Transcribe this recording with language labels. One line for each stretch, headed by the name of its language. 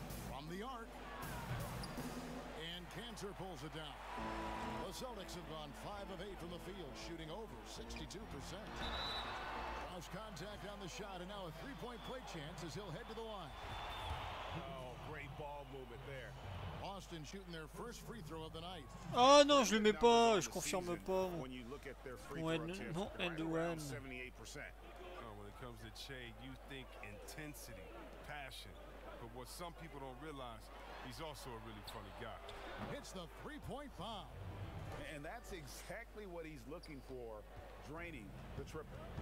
English: From the arc. And Kanter pulls it down. The Celtics have gone 5 of 8 from the field, shooting over 62%. Bosch contact on the shot, and now a 3-point play chance as he'll head to the line. Oh, great ball movement there. Austin shooting their first free throw of the night.
French: Oh non, je le mets pas, je confirme pas.
English: When you look at their free throw attempts, 78%. Oh, when it comes to Che, you think intensity, passion. But what some people don't realize, he's also a really funny guy. Hits the 3-point bomb. And that's exactly what he's looking for, draining the triple.